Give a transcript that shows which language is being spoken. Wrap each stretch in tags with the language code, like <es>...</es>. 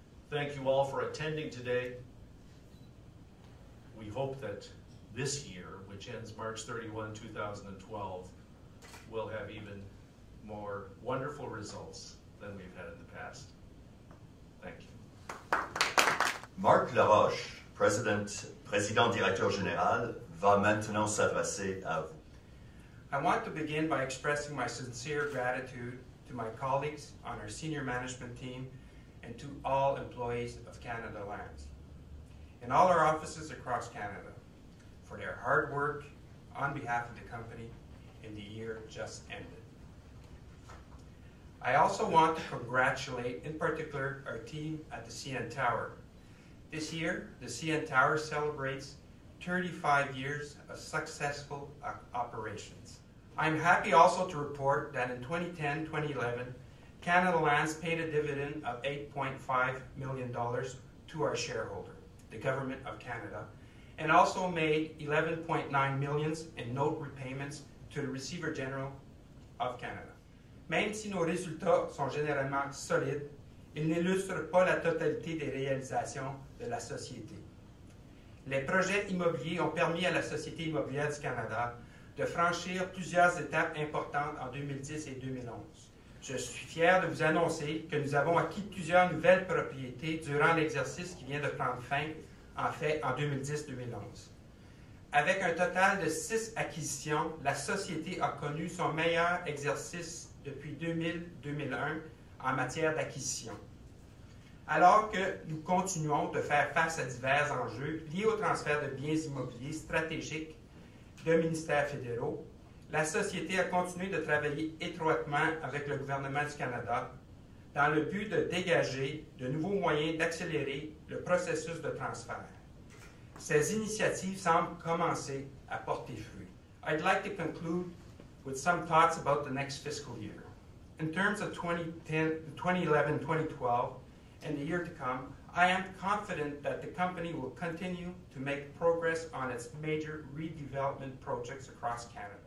<en>Thank you all for attending today. We hope that this year, which ends March 31, 2012, will have even more wonderful results than we've had in the past. Thank you.</en> <fr>Mark Laroche, President Directeur General, va maintenant s'adresser à vous.</fr> <en>I want to begin by expressing my sincere gratitude to my colleagues on our senior management team and to all employees of Canada Lands in all our offices across Canada for their hard work on behalf of the company in the year just ended. I also want to congratulate, in particular, our team at the CN Tower. This year, the CN Tower celebrates 35 years of successful operations. I'm happy also to report that in 2010-2011, Canada Lands paid a dividend of $8.5 million to our shareholder, the Government of Canada, and also made $11.9 million in note repayments to the Receiver General of Canada.</en> <fr>Même si nos résultats sont généralement solides, ils n'illustrent pas la totalité des réalisations de la société. Les projets immobiliers ont permis à la Société immobilière du Canada de franchir plusieurs étapes importantes en 2010 et 2011. Je suis fier de vous annoncer que nous avons acquis plusieurs nouvelles propriétés durant l'exercice qui vient de prendre fin, en fait, en 2010-2011. Avec un total de 6 acquisitions, la société a connu son meilleur exercice depuis 2000-2001 en matière d'acquisition. Alors que nous continuons de faire face à divers enjeux liés au transfert de biens immobiliers stratégiques de ministères fédéraux, la société a continué de travailler étroitement avec le gouvernement du Canada dans le but de dégager de nouveaux moyens d'accélérer le processus de transfert. Ces initiatives semblent commencer à porter fruit.</fr> <en>I'd like to conclude with some thoughts about the next fiscal year. In terms of 2011-2012 and the year to come, I am confident that the company will continue to make progress on its major redevelopment projects across Canada.</en>